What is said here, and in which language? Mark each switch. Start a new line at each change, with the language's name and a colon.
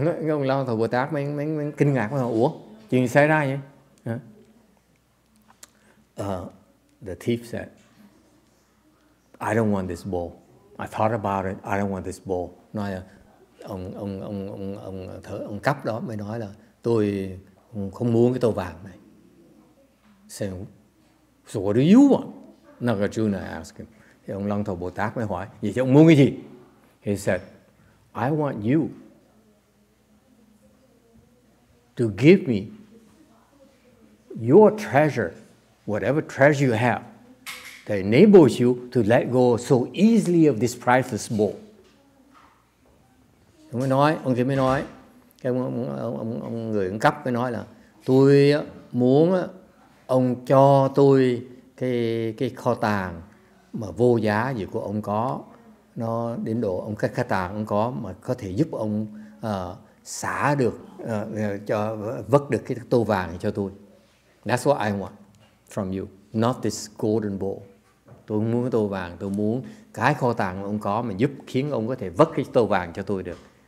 Vietnamese: Ông Long Thổ Bồ Tát mới kinh ngạc, mới nói, "Ủa, chuyện gì xảy ra vậy?"
English: The thief said, "I don't want this bowl. I thought about it. I don't want this bowl."
Vietnamese: Nói là ông cấp đó mới nói là tôi không muốn cái tô vàng này.
English: So what do you want? Nagarjuna asked him.
Vietnamese: Thì ông Long Thổ Bồ Tát mới hỏi, vậy thì ông muốn cái gì?
English: He said, "I want you to give me your treasure, whatever treasure you have, that enables you to let go so easily of this priceless bowl."
Vietnamese: Ông mới nói, cái ông người ứng cấp mới nói là, "Tôi muốn ông cho tôi cái kho tàng mà vô giá gì của ông có, nó đến độ ông cái kho tàng ông có mà có thể giúp ông xả được, cho vất được cái tô vàng cho tôi.
English: That's what I want from you, not this golden bowl.
Vietnamese: Tôi không muốn cái tô vàng, tôi muốn cái kho tàng mà ông có mà giúp khiến ông có thể vất cái tô vàng cho tôi được."